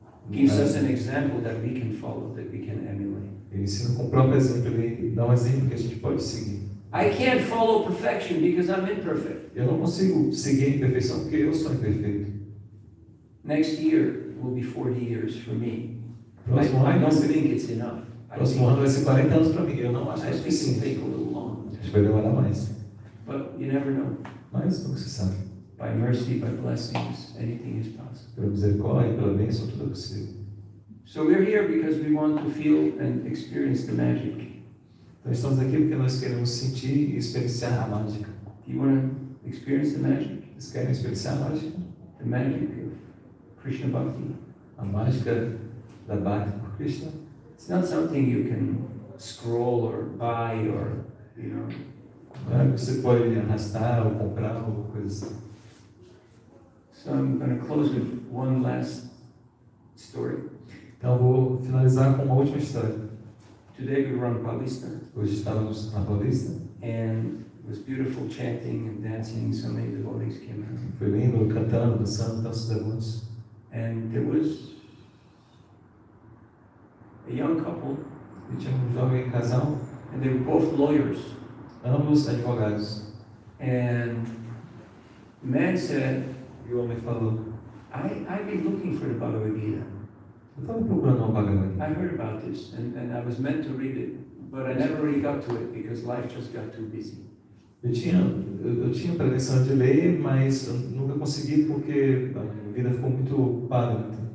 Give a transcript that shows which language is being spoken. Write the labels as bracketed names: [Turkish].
[English] Gives us an example that we can follow, that we can emulate. [Portuguese] Ele ensina com o próprio exemplo, ele dá um exemplo que a gente pode seguir. [English] I can't follow perfection because I'm imperfect. [Portuguese] Eu não consigo seguir a perfeição porque eu sou imperfeito. [English] Next year will be 40 years for me. I don't think it's enough. [Portuguese] Próximo ano vai ser 40 anos para mim. Eu não acho que isso vai ser muito longo. Acho que vai demorar mais. [English] But you never know. [Portuguese] Mas nunca se sabe. [English] By mercy, by blessings, anything is possible. [Portuguese] Pela misericórdia e pela bênção, tudo é possível. [English] So we're here because we want to feel and experience the magic. [Portuguese] Nós estamos aqui porque nós queremos sentir e experienciar a mágica. [English] You want to experience the magic? [Portuguese] Vocês querem experienciar a mágica? [English] The magic of Krishna Bhakti. [Portuguese] A mágica da Bhakti por Krishna. [English] It's not something you can scroll or buy or, you know. [Portuguese] Não é que você pode arrastar ou comprar ou alguma coisa assim. [English] So I'm going to close with one last story. [Portuguese] Então vou finalizar com uma última história. [English] Today we were on Palestra. [Portuguese] Hoje estávamos na Palestra. [English] And it was beautiful chanting and dancing. So many devotees came out. [Portuguese] Foi lindo, cantando, dançando, tantos devotos. [English] And there was a young couple. [Portuguese] E tinha um jovem casal. [English] And they were both lawyers. [Portuguese] Ambos advogados. [English] And the man said, [Portuguese] e o homem falou, [English] I've been looking for the Bhagavad Gita. [Portuguese] Eu estava procurando uma Bhagavad Gita. [English] I heard about this and I was meant to read it, but I never really got to it because life just got too busy. [Portuguese] Eu tinha pretensão de ler, mas nunca consegui porque a vida ficou muito parada.